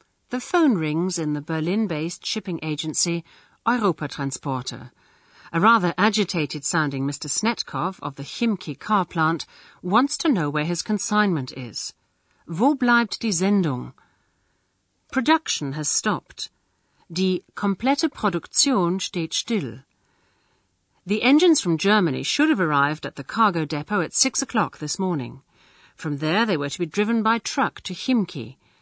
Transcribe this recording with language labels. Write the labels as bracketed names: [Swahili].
[English] The phone rings in the Berlin-based shipping agency Europa Transporter. A rather agitated-sounding Mr. Snetkov of the Chimki car plant wants to know where his consignment is. [German] Wo bleibt die Sendung? [English] Production has stopped. [German] Die komplette Produktion steht still. [English] The engines from Germany should have arrived at the cargo depot at 6 o'clock this morning. From there they were to be driven by truck to Chimki.